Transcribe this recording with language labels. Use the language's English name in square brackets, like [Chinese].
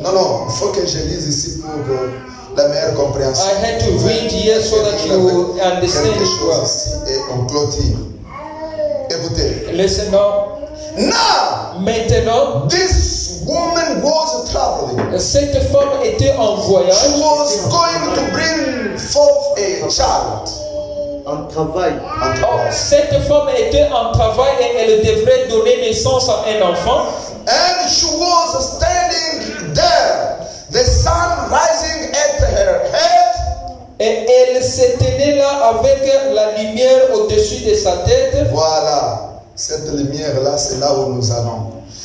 [French] Non, il faut que je lise ici pour la meilleure compréhension. [English] I had to read here so that you will understand it well. [French] Et on clôture. Écoutez. [English] Listen now. Now. [French] Maintenant. [English] This woman was traveling. [French] Cette femme était en voyage. [English] She was going to bring forth a child. [French] En travail. Cette femme était en travail et elle devrait donner naissance à un enfant. [English] And she was standing there, the sun rising at her head. [French] Et elle se tenait là avec la lumière au-dessus de sa tête. Voilà, cette lumière là, c'est là où nous allons.